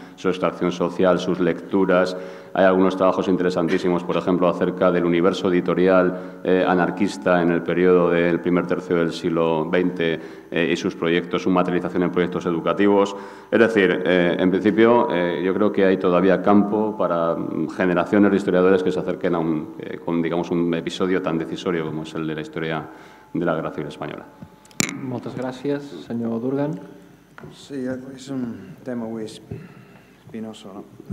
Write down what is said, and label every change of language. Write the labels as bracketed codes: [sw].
[es] su extracción social, sus lecturas. Hay algunos trabajos interesantísimos, por ejemplo, acerca del universo editorial anarquista en el periodo del primer tercio del siglo XX y sus proyectos, su materialización en proyectos educativos. Es decir, en principio, yo creo que hay todavía campo para generaciones de historiadores que se acerquen a un, con, digamos, un episodio tan decisorio como es el de la historia de la Guerra Civil Española. [ca] Moltes gràcies, senyor Durgan. [es] Sí, és un tema muy espinoso, ¿no?